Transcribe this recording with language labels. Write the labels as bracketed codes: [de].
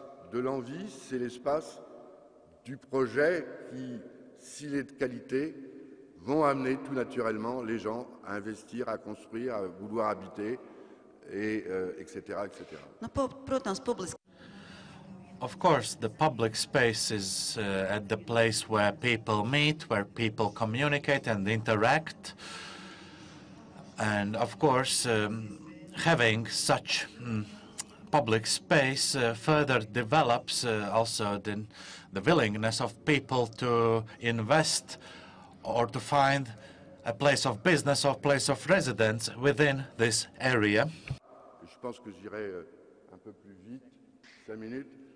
[fr] De l'envie, c'est l'espace du projet qui, s'il est de qualité, vont amener tout naturellement les gens à investir, à construire, à vouloir habiter et etc. etc. [en] Of course, the public space is at the place where people meet, where people communicate and interact. And of course, having such public space further develops also the willingness of people to invest or to find a place of business or place of residence within this area. [fr] Je pense que j'irai un peu plus vite, 5 minutes.